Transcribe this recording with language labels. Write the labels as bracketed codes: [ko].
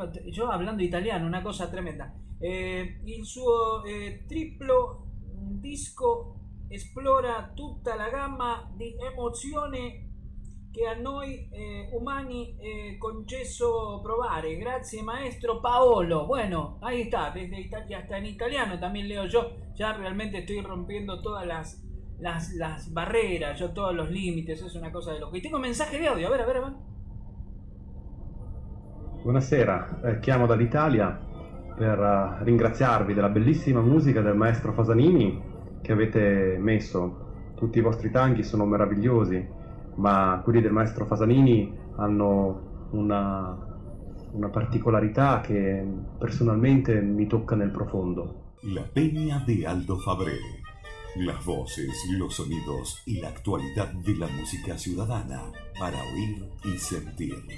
[es] Yo hablando italiano, una cosa tremenda. [it] Il suo triplo disco esplora tutta la gamma di emozioni che a noi umani concesso provare. Grazie maestro Paolo. [es] Bueno, ahí está, desde Italia hasta en italiano también leo yo. Ya realmente estoy rompiendo todas las barreras, yo todos los límites, es una cosa de loco. Y tengo mensaje de audio, a ver. [it] Buonasera, chiamo dall'Italia per ringraziarvi della bellissima musica del maestro Fasanini che avete messo. Tutti i vostri tanghi sono meravigliosi, ma quelli del maestro Fasanini hanno una particolarità che personalmente mi tocca nel profondo. [es] La Peña di Aldo Fabré. Las voces, los sonidos y la actualidad de la música ciudadana para oír y sentir.